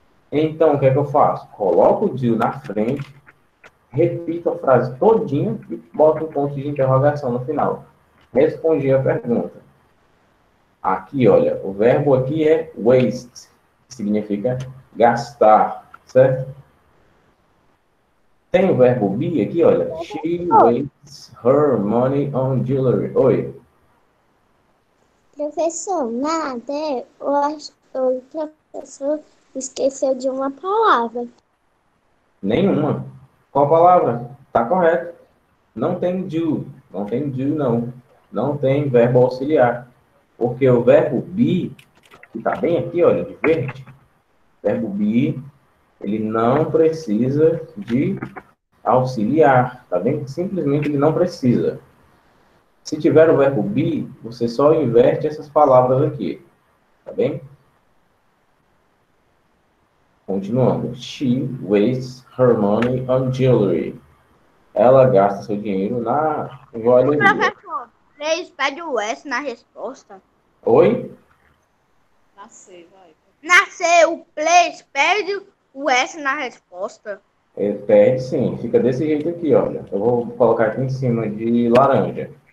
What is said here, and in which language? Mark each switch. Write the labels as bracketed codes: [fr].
[pt] Então, o que é que eu faço? Coloco o do na frente, repito a frase todinha e boto um ponto de interrogação no final. Respondi a pergunta. Aqui, olha, o verbo aqui é waste, que significa gastar, certo? Tem o verbo be aqui, olha. [en] She wastes her money on jewelry. Oi. [pt] Professor, nada. Eu acho O professor esqueceu de uma palavra. Nenhuma. Qual palavra? Tá correto. Não tem do, não tem do, não. Não tem verbo auxiliar. Porque o verbo be, que tá bem aqui, olha, de verde, verbo be, ele não precisa de auxiliar, tá bem? Simplesmente ele não precisa. Se tiver o verbo be, você só inverte essas palavras aqui, tá bem? Continuando. [en] She wastes her money on jewelry. [pt] Ela gasta seu dinheiro na joalheria. Professor, 3, pede o S na resposta. Oi? Nasceu, vai. Nasceu, 3, pede o S na resposta. Pede sim, fica desse jeito aqui, olha. Eu vou colocar aqui em cima de laranja.